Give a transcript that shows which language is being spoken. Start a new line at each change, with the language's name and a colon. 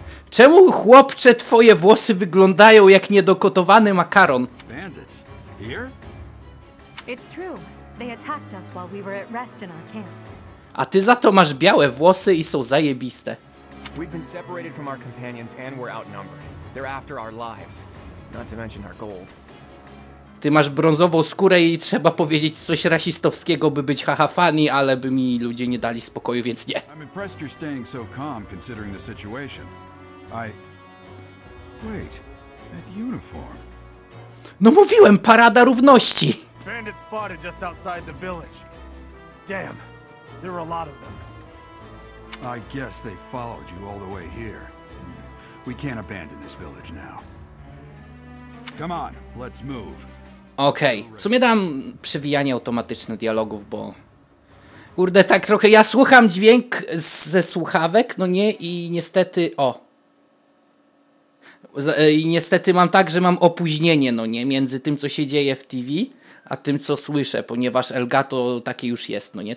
Polish: Czemu, chłopcze, twoje włosy wyglądają jak niedokotowany makaron?
English: Bandits? Here? It's true. They attacked us while we were at rest in our camp.
Polish: A ty za to masz białe włosy i są zajebiste.
English: We've been separated from our companions and we're outnumbered. They're after our lives, not to mention our gold.
Polish: Ty masz brązową skórę i trzeba powiedzieć coś rasistowskiego, by być
English: haha funny,
Polish: ale by mi ludzie nie dali spokoju, więc nie.
English: I'm impressed you're staying so calm considering the situation. Wait, that uniform.
Polish: No mówiłem, parada równości.
English: Bandit spotted just outside the village. Damn, there were a lot of them. I guess they followed you all the way here. We can't abandon this village now. Come on, let's move. Okej, okay.
Polish: W sumie dam przewijanie automatyczne dialogów, bo... Kurde, tak trochę ja słucham dźwięk ze słuchawek, no nie, i niestety... O! I niestety mam tak, że mam opóźnienie, no nie, między tym, co się dzieje w TV, a tym, co słyszę, ponieważ Elgato takie już jest, no nie?